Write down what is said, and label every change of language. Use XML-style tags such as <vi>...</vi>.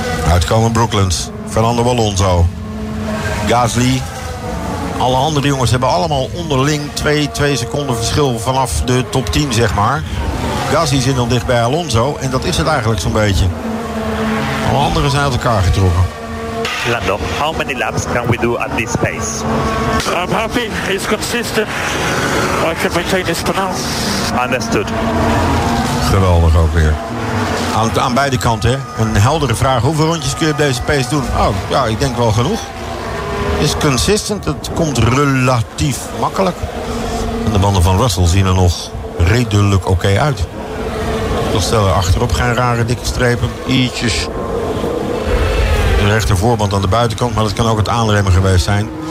<nl>Uitkomen Brooklands, Fernando Alonso, Gasly. Alle andere jongens hebben allemaal onderling 2 seconden verschil vanaf de top 10, zeg maar. Gasly zit dan dicht bij Alonso en dat is het eigenlijk zo'n beetje. Alle anderen zijn uit elkaar getrokken.</nl> <en>Lando, how many laps can we do at this pace? I'm happy, it's consistent. I can maintain this for now. Understood.</en> <nl>Geweldig ook weer. Aan beide kanten, hè. Een heldere vraag, hoeveel rondjes kun je op deze pace doen? Oh, ja, ik denk wel genoeg. Is consistent, het komt relatief makkelijk. En de banden van Russell zien er nog redelijk oké uit. Toch stellen achterop geen rare dikke strepen. Ietsjes. De rechter voorband aan de buitenkant, maar dat kan ook het aanremmen geweest zijn.</nl>